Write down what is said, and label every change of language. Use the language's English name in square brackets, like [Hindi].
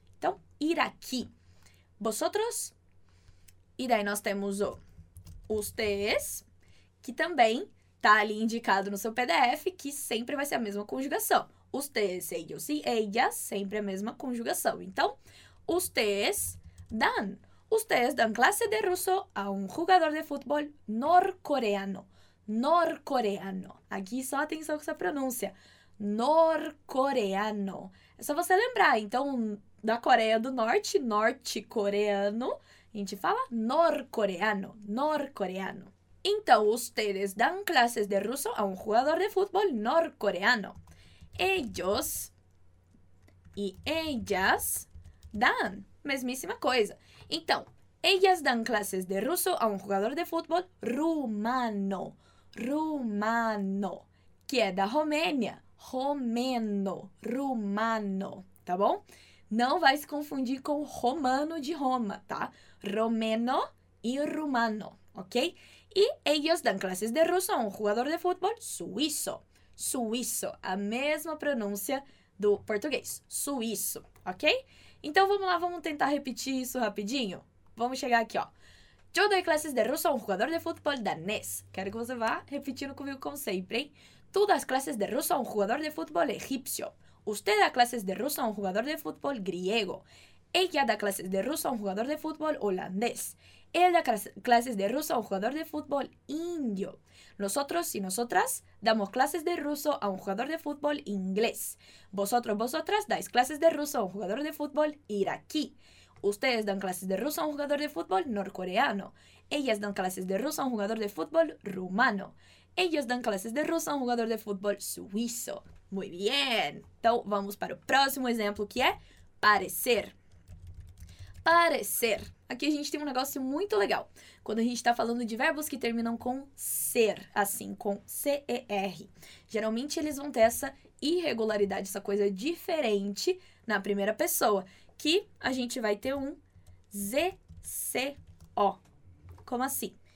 [Spanish] Então, iraqui. Vosotros. [Portuguese] E daí nós temos o ustedes, que também está ali indicado no seu PDF, que sempre vai ser a mesma conjugação. Ustedes, ellos e ellas, sempre a mesma conjugação. [Spanish] Então, ustedes dan. Ustedes dan clase de ruso a un jugador de fútbol norcoreano. Norcoreano. [Portuguese] Aquí só atenção com essa pronúncia. Norcoreano. É só você lembrar. Então, da Coreia do Norte, norte-coreano, a gente fala norcoreano. [Spanish] Norcoreano. Então, ustedes dan clases de ruso a un jugador de fútbol norcoreano. Ellos y ellas dan. [Portuguese] Mesmíssima coisa. [Spanish] Então, ellas dan clases de ruso a [Portuguese] um jogador de futebol [Spanish] rumano. [Portuguese] Rumano. Que é da Romênia. Romeno. Rumano. Tá bom? Não vai se confundir com romano de Roma, tá? Romeno e rumano, ok? E [Spanish] ellos dan clases de ruso [Portuguese] a um jogador de futebol suíço. Suíço. A mesma pronúncia do português. Suíço, ok? Então, vamos lá, vamos tentar repetir isso rapidinho. Vamos chegar aqui, ó. [Spanish] Yo doy clases de ruso a un jugador de fútbol danés. [Portuguese] Quero que você vá repetindo comigo como sempre, hein? [Spanish] Tú das clases de ruso a un jugador de fútbol egipcio. Usted da clases de ruso a un jugador de fútbol griego. Ella da clases de ruso a un jugador de fútbol holandés. Él da clases de ruso a un jugador de fútbol indio. Nosotros y nosotras damos clases de ruso a un jugador de fútbol inglés. Vosotros, vosotras dais clases de ruso a un jugador de fútbol iraquí. Ustedes dan clases de ruso a un jugador de fútbol norcoreano. Ellas dan clases de ruso a un jugador de fútbol rumano. Ellos dan clases de ruso a un jugador de fútbol suizo. Muy bien. [Portuguese] Então, vamos para o próximo exemplo, que é parecer. Parecer. Aqui a gente tem um negócio muito legal. Quando a gente está falando de verbos que terminam com ser, assim, com C-E-R. Geralmente, eles vão ter essa irregularidade, essa coisa diferente na primeira pessoa, que a gente vai ter um Z-C-O. Como assim?